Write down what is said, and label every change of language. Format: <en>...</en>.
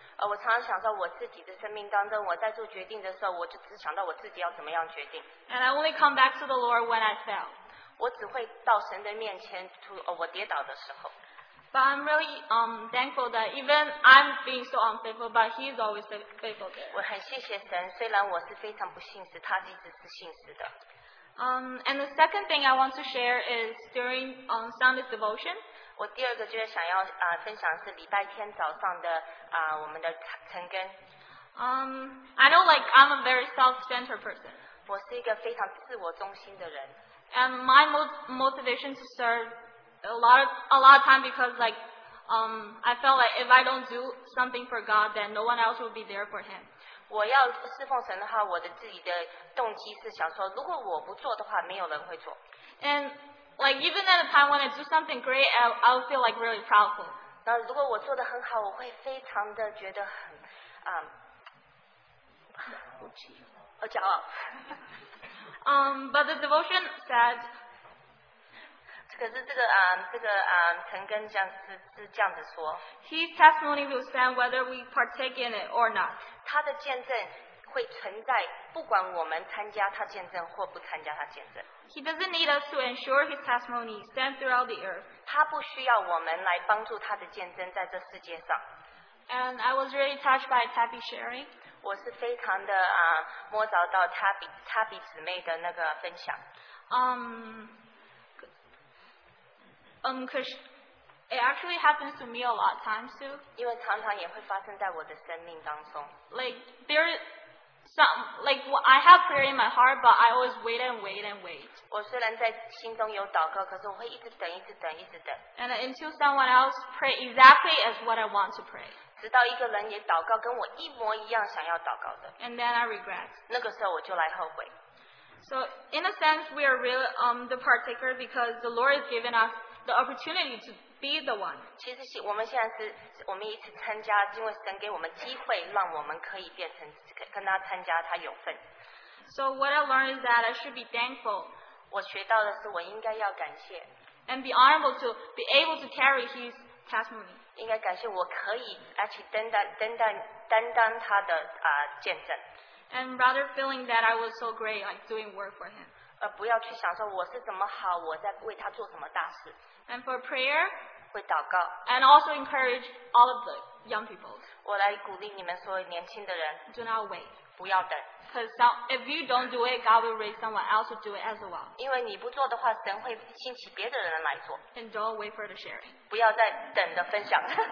<zh>我常常想到我自己的生命当中，我在做决定的时候，我就只想到我自己要怎么样决定。</zh> <en>And I only come back to the Lord when I fail.</en> <zh>我只会到神的面前，我跌倒的时候。</zh> <en>But I'm really thankful that even I'm being so unfaithful, but He's always faithful there.</en> <zh>我很谢谢神，虽然我是非常不信实，他一直是信实的。</zh> <en>And the second thing I want to share is during Sunday's devotion.</en> <zh>我第二个就是想要分享是礼拜天早上的我们的晨更。</zh> <en>I know like I'm a very self-centered person.</en> <zh>我是一个非常自我中心的人。</zh> <en>And my motivation to serve a lot of time because like I felt like if I don't do something for God then no one else will be there for him.</en> <zh>我要侍奉神的话，我的自己的动机是想说，如果我不做的话，没有人会做。</zh> <en>And like even at a time when I do something great, I'll feel like really proudful.</en> <zh>那如果我做得很好，我会非常的觉得很好骄傲。</zh> <en>But the devotion said,</en> <zh>可是这个陈根是这样子说</zh> <en>His testimony will stand whether we partake in it or not.</en> <zh>他的见证会存在，不管我们参加他见证或不参加他见证。</zh> <en>He doesn't need us to ensure his testimony stand throughout the earth.</en> <zh>他不需要我们来帮助他的见证在这世界上。</zh> <en>And I was really touched by Tappy sharing.</en> <zh>我是非常的摸着到Tappy姊妹的那个分享。</zh> <en>Cause it actually happens to me a lot of times too.</en> <zh>因为常常也会发生在我的生命当中。</zh> <en>Like there is some like I have prayer in my heart, but I always wait and wait and wait.</en> <zh>我虽然在心中有祷告，可是我会一直等，一直等，一直等。</zh> <en>And until someone else pray exactly as what I want to pray.</en> <zh>直到一个人也祷告跟我一模一样想要祷告的</zh> <en>And then I regret.</en> <zh>那个时候我就来后悔</zh> <en>So in a sense we are really the partaker because the Lord has given us the opportunity to be the one</en> <zh>其实是我们现在是我们一起参加因为神给我们机会让我们可以变成跟他参加他有份</zh> <en>So what I learned is that I should be thankful</en> <zh>我学到的是我应该要感谢</zh> <en>And be honorable to be able to carry his testimony</en> <zh>应该感谢我可以而且担当他的见证</zh> <en>and rather feeling that I was so great like doing work for him</en> <zh>不要去想说我是怎么好我在为他做什么大事</zh> <en>and for prayer</en> <zh>会祷告</zh> <en>and also encourage all of the young people</en> <zh>我来鼓励你们所有年轻的人</zh> <en>do not wait</en> <zh>不要等</zh> <en>because if you don't do it God will raise someone else to do it as well</en> <zh>因为你不做的话神会兴起别的人来做</zh> <en>and don't wait for the sharing</en> <zh>不要再等的分享</zh>